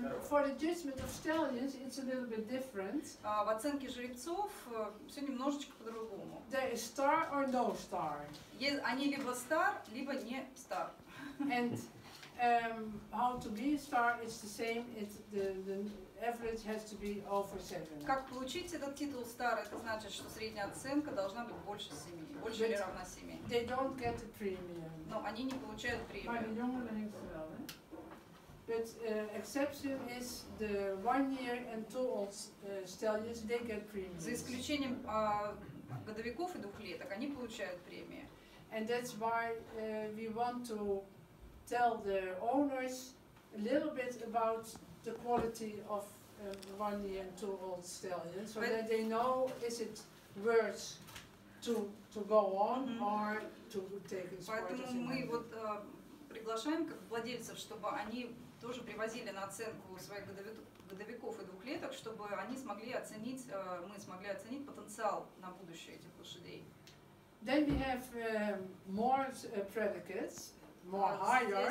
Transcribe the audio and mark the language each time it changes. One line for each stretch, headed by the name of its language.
English: For the judgment of stallions, it's a little bit different.
Russian: В оценке жеребцов все немножечко по-другому.
English: There is star or no star.
Russian: Они либо star, либо не star.
English: And how to be star is the same. The average has to be over 7.
Russian: Как получить этот титул star? Это значит, что средняя оценка должна быть больше 7, больше или равна 7.
English: They don't get a premium.
Russian: Но они не получают премию.
English: But exception is the 1 year and 2 old stallions. They get premiums.
Russian: За исключением годовиков и двухлеток, они получают премии.
English: And that's why we want to tell the owners a little bit about the quality of 1 year and 2 old stallions, so that they know is it worth to go on or to take his part.
Russian: Поэтому мы вот приглашаем как владельцев, чтобы они тоже привозили на оценку своих годовиков и двухлеток, чтобы они смогли оценить, мы смогли оценить потенциал на будущее этих лошадей.
English: Then we have more predicates, more higher.